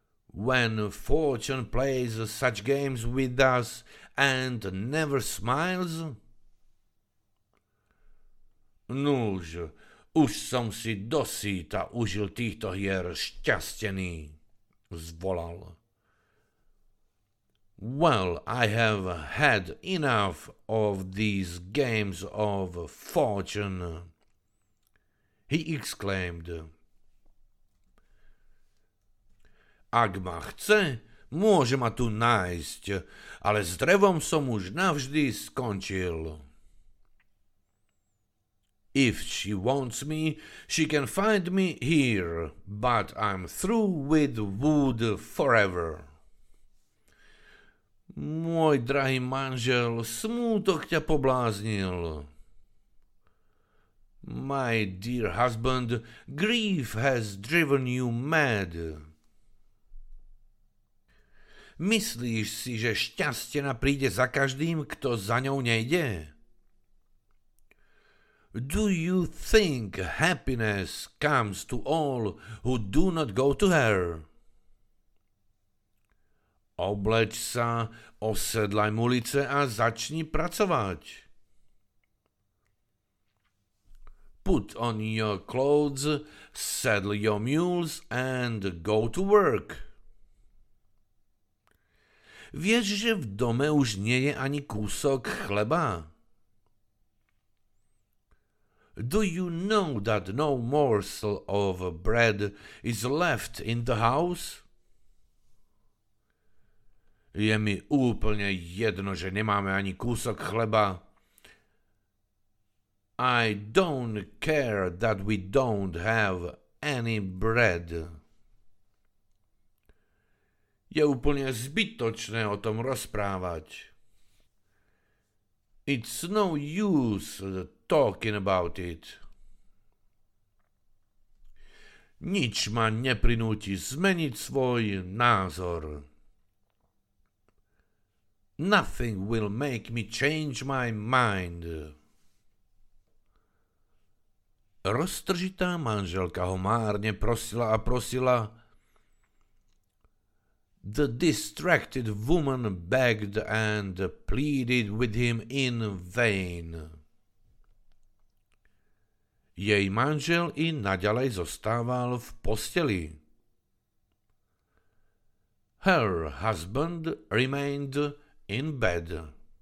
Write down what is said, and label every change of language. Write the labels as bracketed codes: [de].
[en] When fortune plays such games with us and never smiles? [sk] Nuž, už som si dosýta užil týchto hier šťastený, zvolal. [en] Well, I have had enough of these games of fortune, he exclaimed. [sk] Ak ma chce, môže ma tu nájsť, ale s drevom som už navždy skončil. [en] If she wants me, she can find me here, but I'm through with wood forever. [sk] Môj drahý manžel, smútok ťa pobláznil. [en] My dear husband, grief has driven you mad. [sk] Myslíš si, že šťastie príde za každým, kto za ňou nejde? [en] Do you think happiness comes to all who do not go to her? [sk] Obleč sa, osedlaj mulice a začni pracovať. [en] Put on your clothes, saddle your mules and go to work. [sk] Vieš, že v dome už nie je ani kúsok chleba? [en] Do you know that no morsel of bread is left in the house? [sk] Je mi úplne jedno, že nemáme ani kúsok chleba. [en] I don't care that we don't have any bread. [sk] Je úplne zbytočné o tom rozprávať. [en] It's no use talking about it. [sk] Nič ma neprinúti zmeniť svoj názor. [en] Nothing will make me change my mind. [sk] Roztržitá manželka ho márne prosila a prosila. [en] The distracted woman begged and pleaded with him in vain. [sk] Jej manžel i naďalej zostával v posteli. [en] Her husband remained in bed.